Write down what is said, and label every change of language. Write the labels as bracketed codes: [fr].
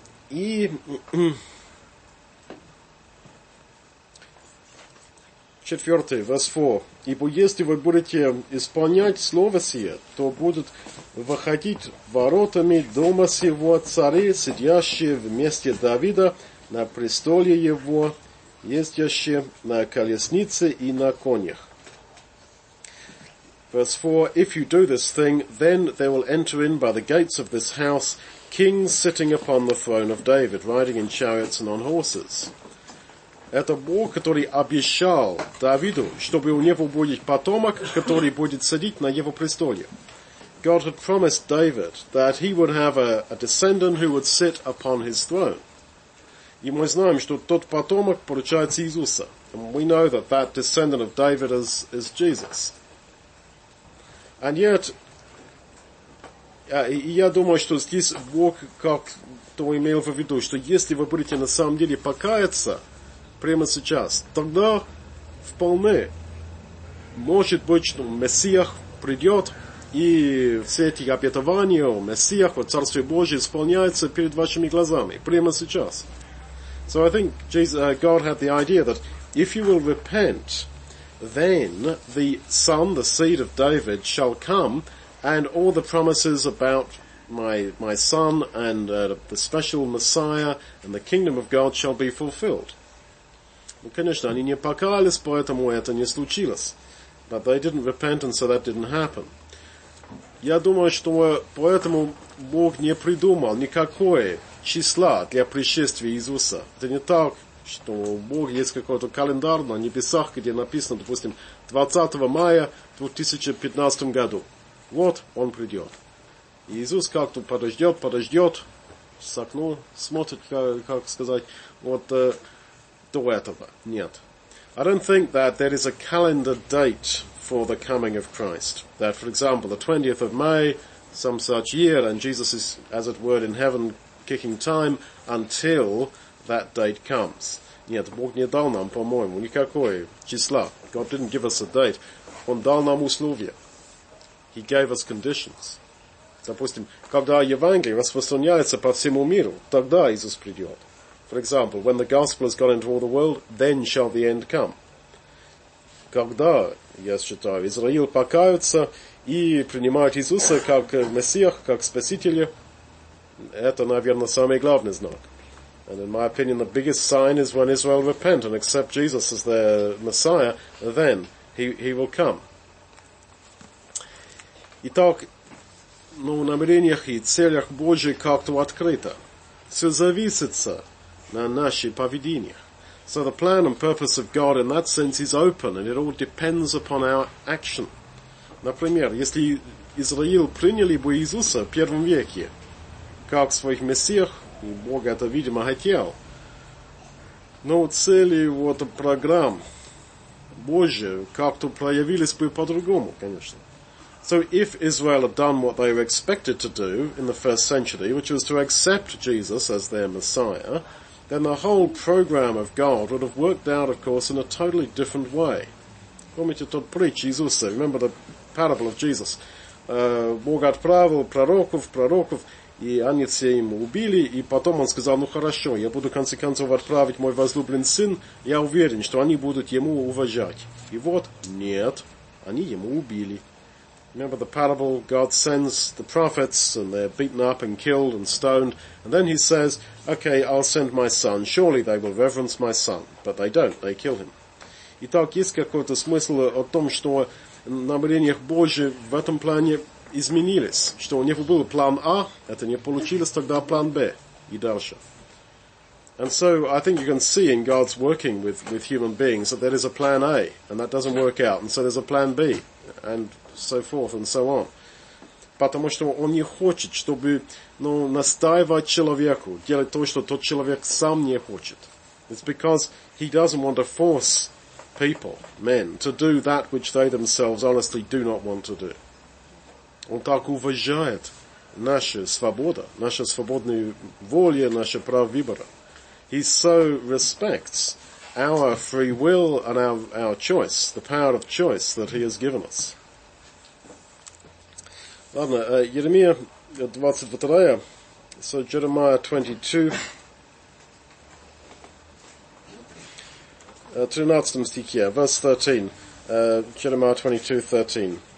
[ru] И четвертый, [en] verse 4. [ru] Ибо если вы будете исполнять слово сие, то будут выходить воротами дома сего цари, сидящие вместе Давида на престоле его, ездящие на колеснице и на конях. [en] Verse 4, if you do this thing, then there will enter in by the gates of this house kings sitting upon the throne of David, riding in chariots and on horses. [ru] Это Бог, который обещал Давиду, чтобы у него будет потомок, который будет сидеть на его престоле. [en] God had promised David that he would have a descendant who would sit upon his throne. [ru] И мы знаем, что тот потомок получается Иисуса. [en] And we know that that descendant of David is Jesus. And yet, [ru] я думаю, что здесь Бог как-то имел в виду, что если вы будете на самом деле покаяться прямо сейчас, тогда вполне может быть, что Мессия придет, и все эти обетования о Мессиях, о Царстве Божьем исполняются перед вашими глазами прямо сейчас. [en] So I think God had the idea that if you will repent, then the son, the seed of David, shall come, and all the promises about my son and the special Messiah and the kingdom of God shall be fulfilled. [ru] Ну, конечно, они не покаялись, поэтому это не случилось. [en] But they didn't repent, and so that didn't happen. [ru] Я думаю, что поэтому Бог не придумал никакое числа для пришествия Иисуса. Это не так, что у Бога есть какой-то календарь на небесах, где написано, допустим, 20 мая 2015 году. Вот он придет. И Иисус как-то подождет, с окна смотрит, как сказать, вот до этого. Нет. [en] I don't think that there is a calendar date for the coming of Christ. That, for example, the 20th of May, some such year, and Jesus is, as it were, in heaven, kicking time until that date comes. [ru] Нет, Бог не дал нам, по-моему, никакой числа. [en] God didn't give us a date. [ru] Он дал нам условия. [en] He gave us conditions. [ru] Допустим, когда Евангелие распространяется по всему миру, тогда Иисус придет. [en] For example, when the gospel has gone into all the world, then shall the end come. [ru] Когда, я считаю, Израил покаются и принимают Иисуса как Мессия, как Спасителя, это, наверное, самый главный знак. [en] And in my opinion, the biggest sign is when Israel repent and accept Jesus as their Messiah, then he will come. [ru] Итак, ну, в намерениях и целях Божьих как-то открыто. Все зависится на наших поведениях. [en] So the plan and purpose of God in that sense is open, and it all depends upon our action. [ru] Например, если Израил приняли бы Иисуса в первом веке, как своих мессиях, и Бог это, видимо, хотел. Но цели вот программ Божьи как-то проявились бы по-другому, конечно. [en] So if Israel had done what they were expected to do in the first century, which was to accept Jesus as their Messiah, then the whole program of God would have worked out, of course, in a totally different way. [ru] Помните тот притч Иисуса? [en] Remember the parable of Jesus? [ru] Бог отправил пророков, и они все ему убили, и потом он сказал, ну хорошо, я буду в конце концов отправить мой возлюбленный сын, я уверен, что они будут ему уважать. И вот, нет, они ему убили. [en] Remember the parable, God sends the prophets, and they're beaten up and killed and stoned, and then he says, okay, I'll send my son, surely they will reverence my son. But they don't, they kill him. [ru] Итак, есть какой-то смысл о том, что намерениях Божьих в этом плане изменились, что у него был план А, это не получилось, тогда план Б и дальше. [en] And so I think you can see in God's working with human beings that there is a plan A and that doesn't work out, and so there's a plan B and so forth and so on. [ru] Потому что он не хочет, чтобы, ну, настаивать человеку делать то, что тот человек сам не хочет. [en] It's because he doesn't want to force people, men, to do that which they themselves honestly do not want to do. [ru] Он так уважает нашу свободу, нашу свободную волю, наше право выбора. [en] He so respects our free will and our choice, the power of choice that he has given us. [ru] Ладно, Еремия 22, [en] so Jeremiah 22, [ru] 13 стихе, [en] verse 13, Jeremiah 22:13.